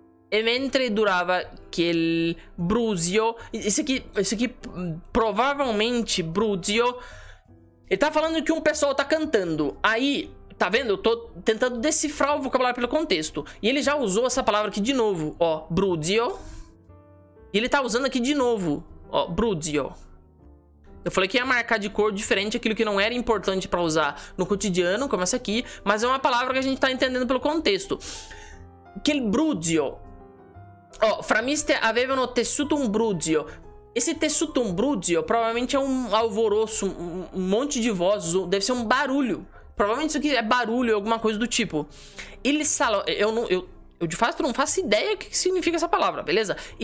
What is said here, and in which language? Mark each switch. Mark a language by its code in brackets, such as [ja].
[it] E mentre durava quel brusio. [pt] Isso aqui provavelmente brusio. Ele tá falando que um pessoal tá cantando. Aí, tá vendo? Eu tô tentando decifrar o vocabulário pelo contexto. E ele já usou essa palavra aqui de novo, ó. Brusio. E ele tá usando aqui de novo, ó, brusio. Eu falei que ia marcar de cor diferente aquilo que não era importante pra usar no cotidiano, como essa aqui, mas é uma palavra que a gente tá entendendo pelo contexto. [it] Quel brusio. Ó, framiste avevano tessuto un brusio. [pt] Esse [it] tessuto un brusio [pt] provavelmente é um alvoroço, um monte de vozes, deve ser um barulho. Provavelmente isso aqui é barulho, alguma coisa do tipo. [it] Il salo... [pt] Eu, de fato, não faço ideia do que significa essa palavra, beleza?